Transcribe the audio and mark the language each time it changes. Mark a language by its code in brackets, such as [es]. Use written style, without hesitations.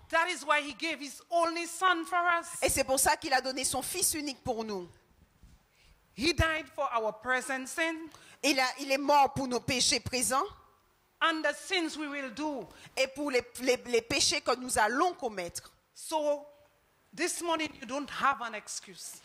[en] That is why he gave his only son for us. [fr] Et c'est pour ça qu'il a donné son fils unique pour nous. [en] He died for our present sin. [fr] Il est mort pour nos péchés présents. [en] And the sins we will do. [fr] Et pour les péchés que nous allons commettre. [en] So, this morning you don't have an excuse.